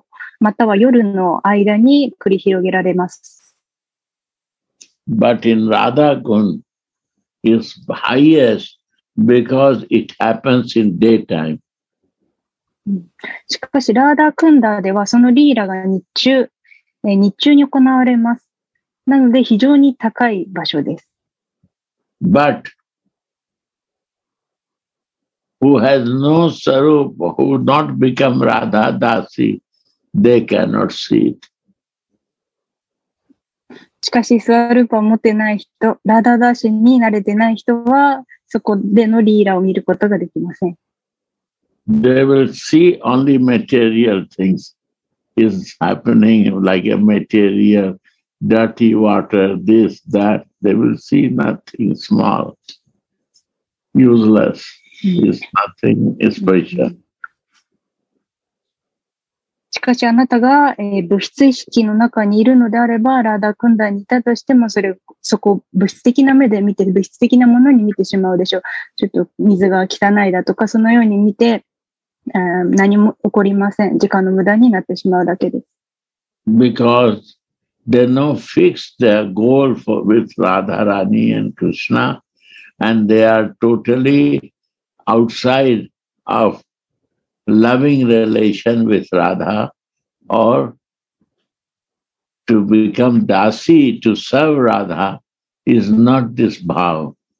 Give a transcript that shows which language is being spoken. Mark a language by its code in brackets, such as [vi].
[ja] なぜラーダクンダが特別であるかというと、男性女性のリーラ、ラーダとクリシュナのリーラは夕方、午後、または夜の間に繰り広げられます。 [en] But in Radha Kund is highest because it happens in daytime. [ja] しかし Radha Kunda ではそのリーラが日中に行われます。なので非常に高い場所です。 [en] But who has no sarup, who not become Radha Dasi, they cannot see it. [ja] しかし、スワルーパを持ってない人、ラダダーシンに慣れてない人は、そこでのリーラを見ることができません。 [en] They will see only material things is happening, like a material, dirty water, this, that. They will see nothing small, useless. is nothing special. [ja] しかしあなたが、物質意識の中にいるのであれば、ラダクンダにいたとしても、そこ物質的な目で見て、物質的なものに見てしまうでしょう。ちょっと水が汚いだとか、そのように見て、何も起こりません。時間の無駄になってしまうだけです。 [en] Because they don't fix their goal with Radharani and Krishna, and they are totally outside of loving relation with Radha, or to become dasi, to serve Radha, is not this bhav.